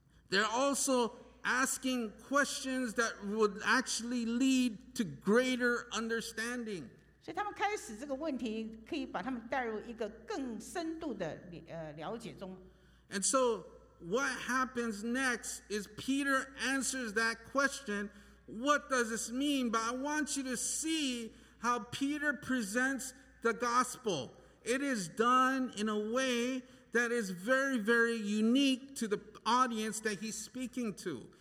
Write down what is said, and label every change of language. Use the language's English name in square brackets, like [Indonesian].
[English] They're also asking questions that would actually lead to greater understanding. [Chinese] 所以他们开始这个问题可以把他们带入一个更深度的了解中。 [English] And so what happens next is Peter answers that question, what does this mean? But I want you to see how Peter presents the gospel. It is done in a wayThat is very, very unique to the audience that he's speaking to.